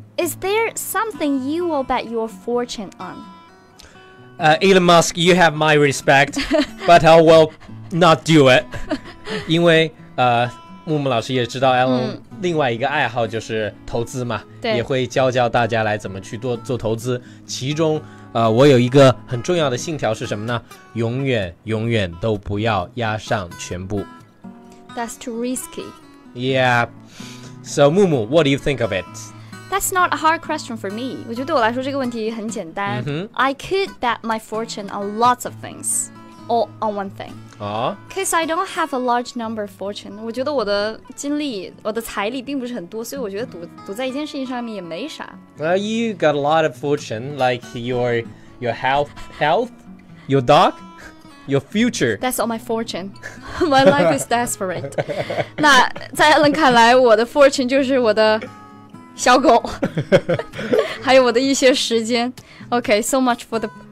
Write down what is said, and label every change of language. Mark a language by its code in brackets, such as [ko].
[en] Is there something you will bet your fortune on? Elon Musk, you have my respect, but I will not do it. [zh] 因为木木老师也知道 Alan另外一个爱好就是投资嘛，对，也会教教大家来怎么去做投资。其中，我有一个很重要的信条是什么呢？永远永远都不要押上全部。 [en] That's too risky. Yeah. So, Mumu, what do you think of it? That's not a hard question for me. [zh] 我觉得对我来说这个问题很简单。 Mm-hmm. [en] I could bet my fortune on lots of things. All on one thing. Because I don't have a large number of fortune. [zh] 我觉得我的精力，我的财力并不是很多，所以我觉得赌在一件事情上面也没啥。 [en] You got a lot of fortune, like your health, your dog, your future. That's all my fortune. My life is desperate. [zh] 那在 Alan 看来，我的 fortune 就是我的小狗，还有我的一些时间。 [en] Okay, so much for the...